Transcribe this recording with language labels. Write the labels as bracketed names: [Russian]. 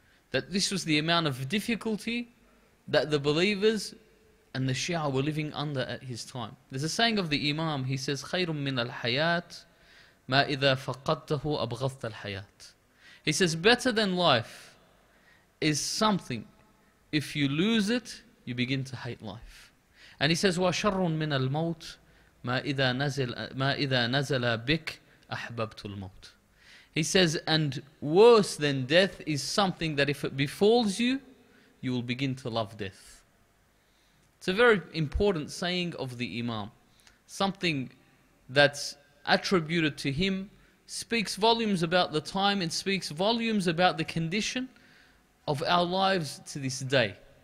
[English] That this was the amount of difficulty that the believers and the Shia were living under at his time. There's a saying of the Imam, he says, [Arabic] خَيْرٌ مِّنَ الْحَيَاةِ مَا إِذَا فَقَدْتَهُ أَبْغَضْتَ الْحَيَاةِ. [English] He says, better than life is something. If you lose it, you begin to hate life. And he says, [Arabic] وَشَرٌ مِّنَ الْمَوْتِ مَا إِذَا نَزَلَ بِكَ أَحْبَبْتُ الْمَوْتِ. [English] He says, and worse than death is something that if it befalls you, you will begin to love death. It's a very important saying of the Imam. Something that's attributed to him speaks volumes about the time and speaks volumes about the condition of our lives to this day.